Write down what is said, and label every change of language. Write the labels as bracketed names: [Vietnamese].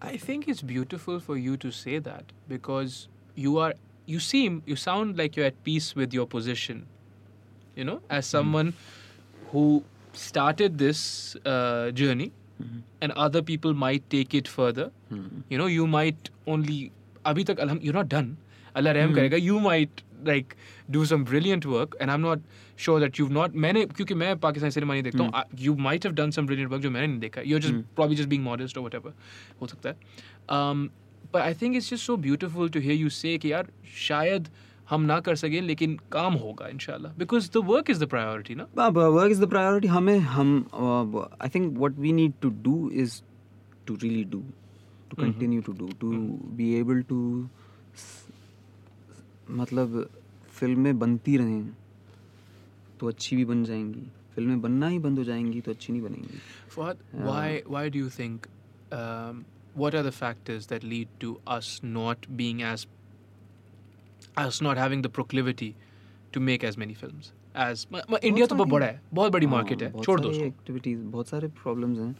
[English] I think it's beautiful for you to say that, because you are, you seem, you sound like you are at peace with your position, you know, as someone who started this journey and other people might take it further. You know, you might only, [Hindi] अभी तक [English] you not done, [Hindi] अल्लाह रहम करेगा, [English] you might like do some brilliant work, and I'm not sure that you've not, [Hindi] maine kyunki main Pakistani cinema nahi dekhta, [English] you might have done some brilliant work [Hindi] jo maine nahi dekha, [English] you're just probably just being modest or whatever, [Hindi] ho sakta hai. [English] But I think it's just so beautiful to hear you say [Hindi] ki yaar shayad hum na kar sake lekin kaam hoga [English] inshallah, because the work is the priority. [Hindi] Na [English] baba, work is the priority. [Hindi] Hame hum [English] I think what we need to do is to really do, to continue to do, to be able to, [Hindi] मतलब फिल्में बनती रहें तो अच्छी भी बन जाएंगी, फिल्में बनना ही बंद हो जाएंगी तो अच्छी नहीं बनेंगी. [English] Fahad, why do you think what are the factors that lead to us not being as, us not having the proclivity to make as many films as India? [Hindi] तो बहुत बड़ा है, बहुत बड़ी मार्केट है, छोड़ दो उसको. एक्टिविटीज, बहुत सारे प्रॉब्लम्स हैं.